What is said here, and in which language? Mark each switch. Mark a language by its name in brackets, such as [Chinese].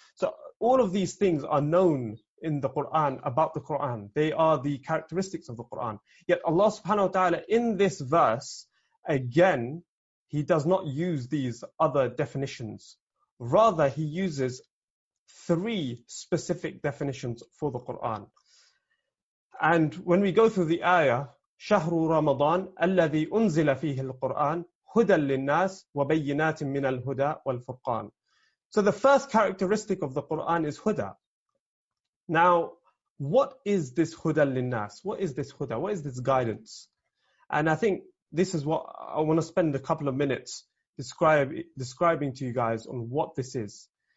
[English] So all of these things are known in the Qur'an, about the Qur'an. They are the characteristics of the Qur'an. Yet Allah subhanahu wa ta'ala, in this verse, again, he does not use these other definitions. Rather, he uses three specific definitions for the Qur'an. And when we go through the ayah, [Arabic] شهر رمضان الذي أنزل فيه القرآن هدى للناس وبينات من الهدى والفرقان. [English] So the first characteristic of the Quran is هدى. Now, what is this [Arabic] هدى للناس? [English] What is this هدى? What is this guidance? And I think this is what I want to spend a couple of minutes describing to you guys on what this is.